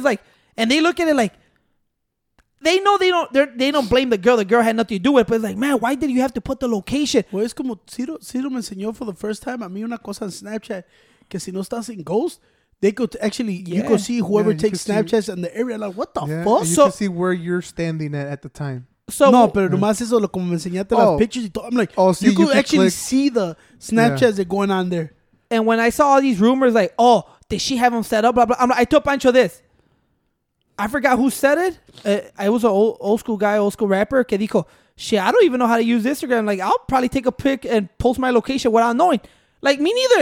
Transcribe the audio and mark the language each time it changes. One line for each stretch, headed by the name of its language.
English: It's like, and they look at it like, they know they don't blame the girl. The girl had nothing to do with it, but it's like, man, why did you have to put the location? Well,
Spanish: es como Ciro me enseñó
English: for the first time
Spanish: a mí una cosa en Snapchat que si no estás en Ghost.
English: They could actually, you could see whoever takes Snapchats in the area. Like, what the fuck? You could see where you're standing at the time. So,
Spanish: no, pero nomás eso, como me enseñaste las pictures.
English: I'm like, you could actually click. See the Snapchats that going on there. And when I saw all these rumors, like, oh, did she have them set up? Blah, blah. I told Pancho this. I forgot who said it. It was an old school rapper.
Spanish: Que dijo,
English: shit, I don't even know how to use Instagram. Like, I'll probably take a pic and post my location without knowing. Like, me neither.